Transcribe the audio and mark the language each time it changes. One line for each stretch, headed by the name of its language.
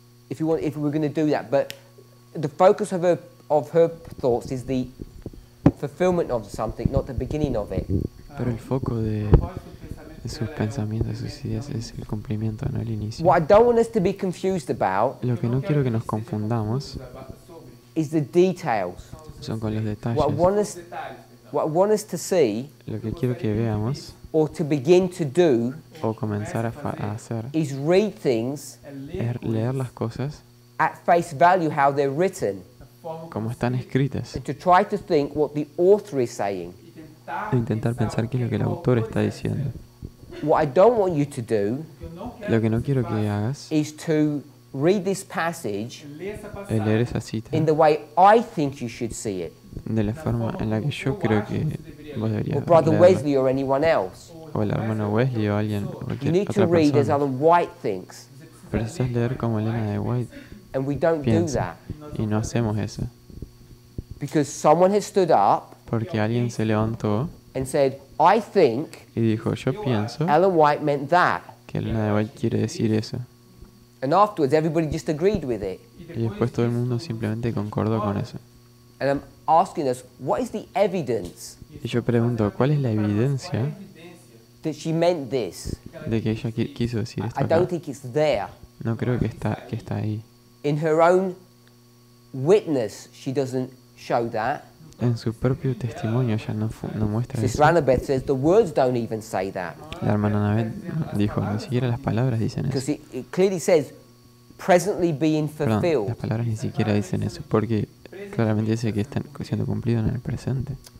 English: If you want, if we're going to do that, but the focus of her thoughts is the fulfillment of something, not the beginning of it.
Spanish: Pero el foco de sus pensamientos, sus ideas, es el cumplimiento, no el inicio.
English: What I don't want us to be confused about,
Spanish: lo que no quiero que nos confundamos,
English: is the details.
Spanish: Son con los detalles.
English: What I want us to see,
Spanish: lo que quiero que veamos,
English: or to begin to do,
Spanish: o comenzar a hacer,
English: is read things,
Spanish: es leer las cosas,
English: at face value how they're written,
Spanish: como están escritas,
English: and to try to think what the author is saying,
Spanish: e intentar pensar qué es lo que el autor está diciendo.
English: What I don't want you to do,
Spanish: lo que no quiero que hagas,
English: is to read this passage,
Spanish: leer esa cita,
English: in the way I think you should see it,
Spanish: de la forma en la que yo creo que vos deberías leerla,
English: or Brother Wesley or anyone else.
Spanish: O el hermano Wesley o alguien, cualquier otra persona.
English: You need to read as Ellen White thinks.
Spanish: Pero eso es leer como Ellen White.
English: And we don't
Spanish: piensa.
English: Do that.
Spanish: Y no hacemos eso.
English: Because someone has stood up.
Spanish: Porque alguien se levantó.
English: And said, I think.
Spanish: Y dijo, yo pienso.
English: Ellen White meant that.
Spanish: Que Ellen White quiere decir eso.
English: And afterwards, everybody just agreed with it.
Spanish: Y después todo el mundo simplemente concordó con eso.
English: And I'm asking us, what is the evidence?
Spanish: Y yo pregunto, ¿cuál es la evidencia?
English: That she meant this.
Spanish: De que ella quiso decir esto.
English: I don't think it's there.
Spanish: No creo que está ahí.
English: In her own witness, she doesn't show that.
Spanish: En su propio testimonio ella no muestra
English: Sister
Spanish: eso.
English: Sister Annabeth says the words don't even say that.
Spanish: La hermana Annabeth dijo, ni siquiera las palabras dicen eso.
English: Because it clearly says presently being fulfilled.
Spanish: Perdón, las palabras ni siquiera dicen eso porque claramente dice que están siendo cumplidos en el presente.